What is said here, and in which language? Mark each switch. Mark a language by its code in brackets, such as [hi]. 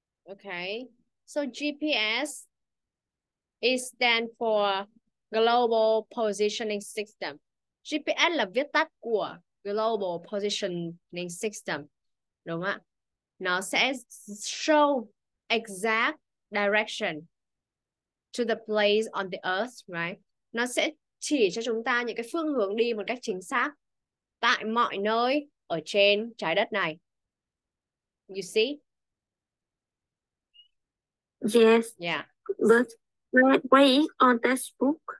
[en] Okay, so GPS is stand for Global Positioning System. [vi] GPS là viết tắt của Global Positioning System, đúng không ạ? Nó sẽ [en] show exact direction to the place on the earth, right? [vi] Nó sẽ chỉ cho chúng ta những cái phương hướng đi một cách chính xác tại mọi nơi ở trên trái đất này. [en] You see? Yes. Yeah. But why on this book?